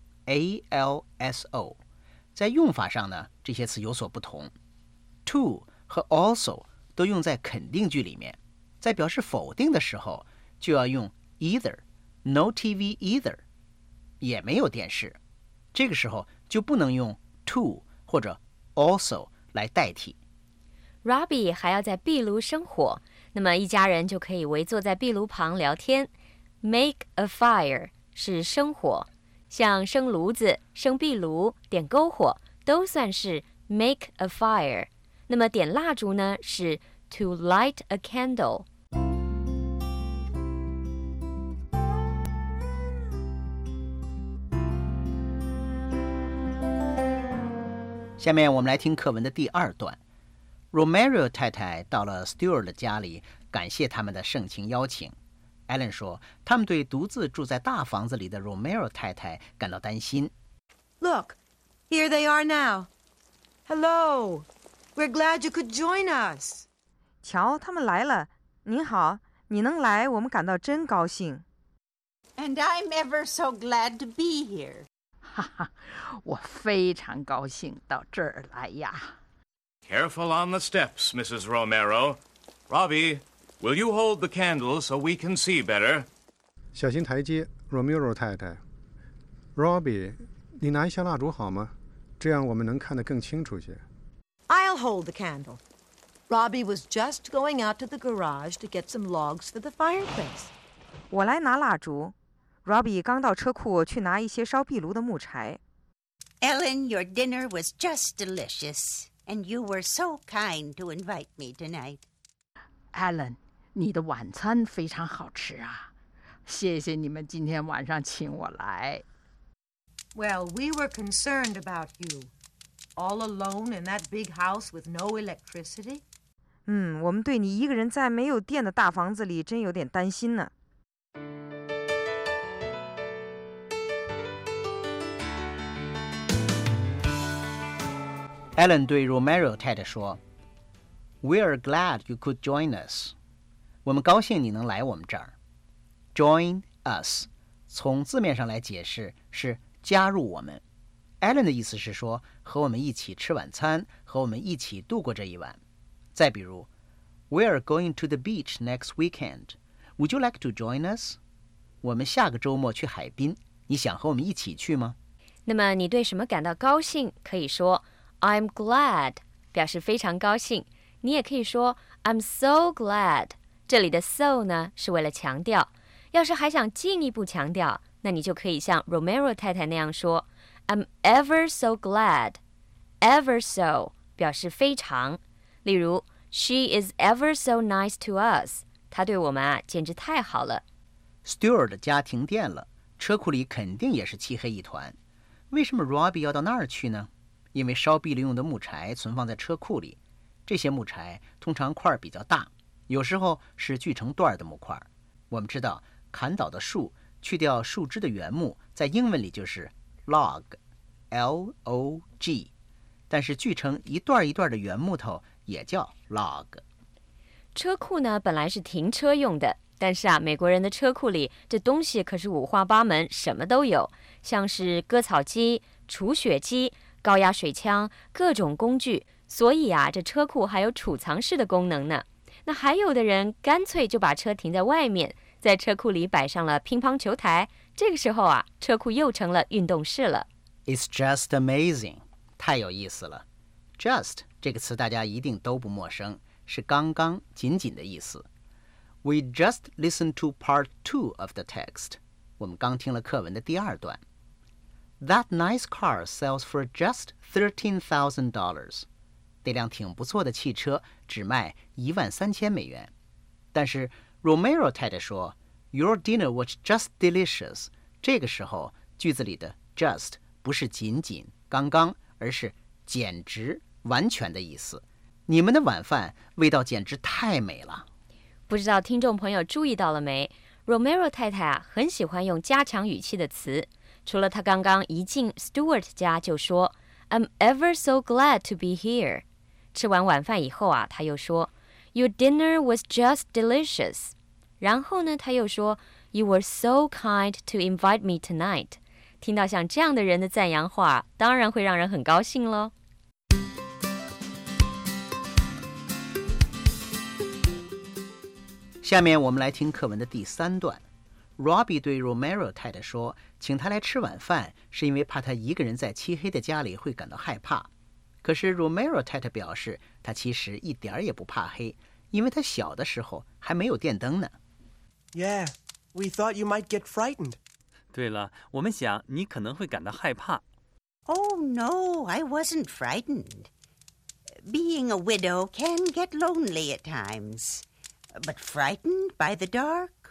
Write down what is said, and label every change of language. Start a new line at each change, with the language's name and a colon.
Chinese: ALSO 在用法上呢这些词有所不同 to 和 also 都用在肯定句里面在表示否定的时候就要用 either
English: no TV either
Chinese: 也没有电视这个时候就不能用 to 或者 also 来代替 Robbie 还要在壁炉生火那么一家人就可以围坐在壁炉旁聊天
English: make a fire
Chinese: 是生火像生炉子、生壁炉、点篝火都算是 make a fire。那么点蜡烛呢是
English: to light a candle。
Chinese: 下面我们来听课文的第二段。Romero 太太到了 Stewart 的家里，感谢他们的盛情邀请。 Ellen 说，他们对独自住在大房子里的 Romero 太太感到担心。
English: Look, here they are now. Hello, we're glad you could join us.
Chinese: 瞧，他们来了。您好，你能来，我们感到真高兴。
English: And I'm ever so glad to be here.
Chinese: 哈哈，我非常高兴到这儿来呀。
English: Careful on the steps, Mrs. Romero. Robbie, will you hold the candle so we can see better?
Chinese: 小心台阶 ，Romero 太太。Robbie, 你拿一下蜡烛好吗？这样我们能看得更清楚些。
English: I'll hold the candle. Robbie was just going out to the garage to get some logs for the fireplace.
Chinese: 我来拿蜡烛。 Robbie 刚到车库去拿一些烧壁炉的木柴。
English: Ellen, your dinner was just delicious, and you were so kind to invite me tonight.
Chinese: Ellen, 你的晚餐非常好吃啊。谢谢你们今天晚上请我来。
English: Well, we were concerned about you. All alone in that big house with no electricity?
Chinese: 我们对你一个人在没有电的大房子里真有点担心呢。 Ellen 对 Romero 太太说
English: We are glad you could join us.
Chinese: 我们高兴你能来我们这儿。
English: Join us
Chinese: 从字面上来解释是加入我们。 Ellen 的意思是说和我们一起吃晚餐，和我们一起度过这一晚。再比如
English: We are going to the beach next weekend. Would you like to join us?
Chinese: 我们下个周末去海滨，你想和我们一起去吗？那么你对什么感到高兴可以说
English: I'm glad,
Chinese: 表示非常高兴。你也可以说
English: I'm so glad,
Chinese: 这里的 so 呢是为了强调。要是还想进一步强调，那你就可以像 Romero 太太那样说
English: I'm ever so glad, ever so,
Chinese: 表示非常。例如
English: She is ever so nice to us,
Chinese: 她对我们简直太好了。 Stuart 家停电了，车库里肯定也是漆黑一团。为什么 Robbie 要到那儿去呢？因为烧壁炉用的木柴存放在车库里，这些木柴通常块比较大，有时候是锯成段的木块。我们知道砍倒的树去掉树枝的原木在英文里就是 log L-O-G， 但是锯成一段一段的原木头也叫 log。车库呢本来是停车用的，但是啊，美国人的车库里这东西可是五花八门，什么都有，像是割草机、除雪机、高压水枪、各种工具，所以啊，这车库还有储藏室的功能呢。那还有的人干脆就把车停在外面，在车库里摆上了乒乓球台，这个时候啊，车库又成了运动室了。
English: It's just amazing，
Chinese: 太有意思了。 Just 这个词大家一定都不陌生，是刚刚、仅仅的意思。
English: We just listened to part two of the text，
Chinese: 我们刚听了课文的第二段。
English: That nice car sells for just $13,000.
Chinese: 这辆挺不错的汽车只卖$13,000。但是 Romero 太太说
English: Your dinner was just delicious.
Chinese: 这个时候句子里的 just 不是仅仅、刚刚，而是简直、完全的意思。你们的晚饭味道简直太美了。不知道听众朋友注意到了没？Romero 太太啊，很喜欢用加强语气的词。除了他刚刚一进 Stuart 家就说
English: I'm ever so glad to be here.
Chinese: 吃完晚饭以后啊，他又说
English: Your dinner was just delicious.
Chinese: 然后呢，他又说
English: You were so kind to invite me tonight.
Chinese: 听到像这样的人的赞扬话，当然会让人很高兴咯。下面我们来听课文的第三段。Robbie 对 Romero 太太说请他来吃晚饭是因为怕他一个人在漆黑的家里会感到害怕。可是 Romero 太太表示他其实一点也不怕黑，因为他小的时候还没有电灯呢。
English: Yeah, we thought you might get frightened.
Chinese: 对了，我们想你可能会感到害怕。
English: Oh no, I wasn't frightened. Being a widow can get lonely at times. But frightened by the dark?